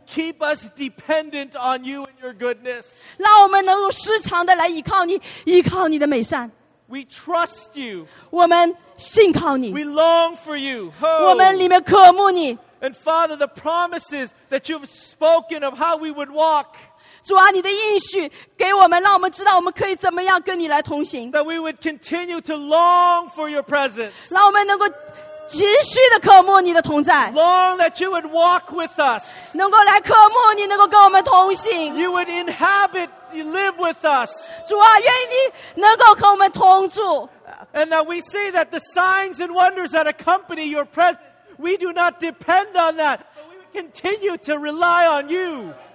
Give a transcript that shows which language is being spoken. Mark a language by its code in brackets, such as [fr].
[en] Keep us dependent on you and your goodness. [zh] 让我们能够时常的来依靠你,依靠你的美善。 [en] We trust you. [zh] 我们信靠你。 [en] We long for you. [zh] Oh. 我们里面渴慕你。 [en] And Father, the promises that you've spoken of how we would walk. [zh] 主啊,你的应许给我们,让我们知道我们可以怎么样跟你来同行。 [en] That we would continue to long for your presence. [zh] 让我们能够持续地渴慕你的同在。 [en] Long that you would walk with us. [zh] 能够来渴慕你,能够跟我们同行。 [en] You would inhabit, you live with us. [zh] 主啊,愿意你能够和我们同住。 [en] And that we see that the signs and wonders that accompany your presence, we do not depend on that, but we continue to rely on you.